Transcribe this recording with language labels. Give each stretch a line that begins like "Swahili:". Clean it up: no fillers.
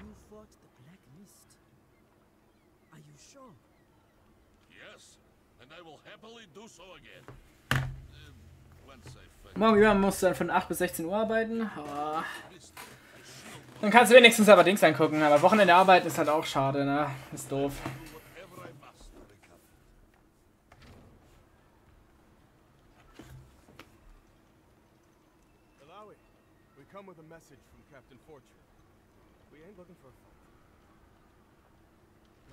English: fought the Black Mist. Are you sure? Yes, and I will happily do so again.
German: Morgen über musst du dann von 8 bis 16 Uhr arbeiten. Oh. Dann kannst du wenigstens aber Dings angucken, aber Wochenende arbeiten ist halt auch schade, ne? Ist doof.
English: Alawi, we come with a message from Captain Fortune. We ain't looking for a fight.